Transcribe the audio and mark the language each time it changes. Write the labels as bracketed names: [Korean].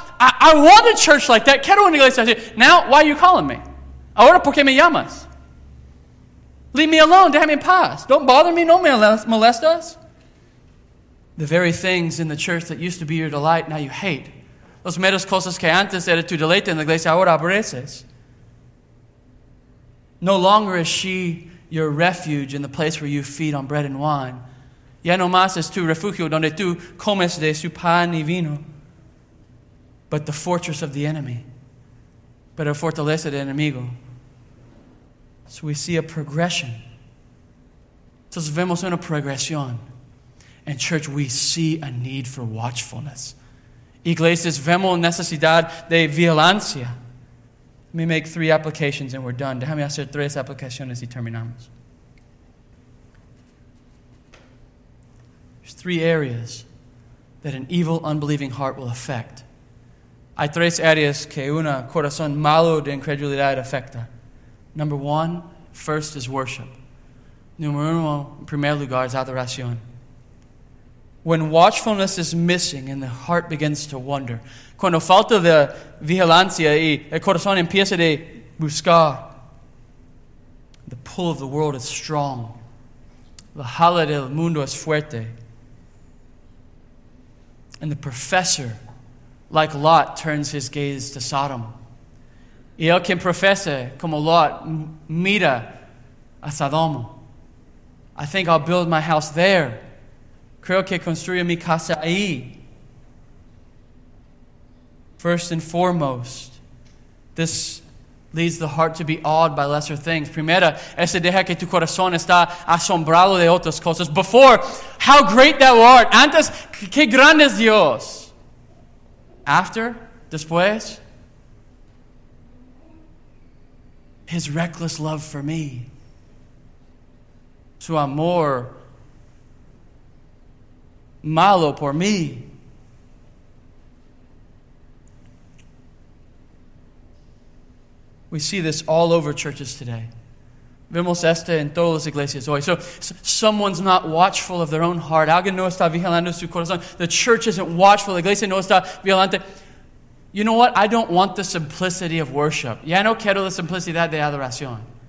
[English] I want a church like that. [Spanish] Quiero una iglesia así. [English] Now, why are you calling me? [Spanish] Ahora, ¿por qué me llamas? [English] Leave me alone. [Spanish] Déjame en paz. [English] Don't bother me. [Spanish] No me molestas. [English] The very things in the church that used to be your delight, now you hate. [Spanish] Los meros cosas que antes era tu deleite en la iglesia, ahora aborreces. [English] No longer is she your refuge in the place where you feed on bread and wine. [Spanish] Ya no más es tu refugio donde tú comes de su pan y vino. [English] But the fortress of the enemy. [Spanish] Pero la fortaleza del enemigo. [English] So we see a progression. [Spanish] Entonces vemos una progresión. [English] And church, we see a need for watchfulness. [Spanish] Iglesias, vemos necesidad de vigilancia. [English] Let me make three applications and we're done. [Spanish] Déjame hacer tres aplicaciones y terminamos. [English] There's three areas that an evil, unbelieving heart will affect. [Spanish] Hay tres áreas que un corazón malo de incredulidad afecta. [English] Number one, first is worship. [Spanish] Número uno, en primer lugar, es adoración. [English] When watchfulness is missing and the heart begins to wonder. [Spanish] Cuando falta la vigilancia y el corazón empieza a buscar. [English] The pull of the world is strong. [Spanish] La jala del mundo es fuerte. [English] And the professor, like Lot, turns his gaze to Sodom. [Spanish] Y el que profesa como Lot mira a Sodom. [English] I think I'll build my house there. [Spanish] Creo que construyo mi casa ahí. [English] First and foremost, this leads the heart to be awed by lesser things. [Spanish] Primera, ese deja que tu corazón está asombrado de otras cosas. [English] Before, how great thou art. [Spanish] Antes, qué grande es Dios. [English] After, [Spanish] después, [English] his reckless love for me. [Spanish] Su amor malo por mí. [English] We see this all over churches today. [Spanish] Vemos esto en todas las iglesias hoy. [English] So someone's not watchful of their own heart. [Spanish] Alguien no está vigilando su corazón. [English] The church isn't watchful. [Spanish] La iglesia no está vigilante. [English] You know what? I don't want the simplicity of worship. [Spanish] Ya no quiero la simplicidad de adoración.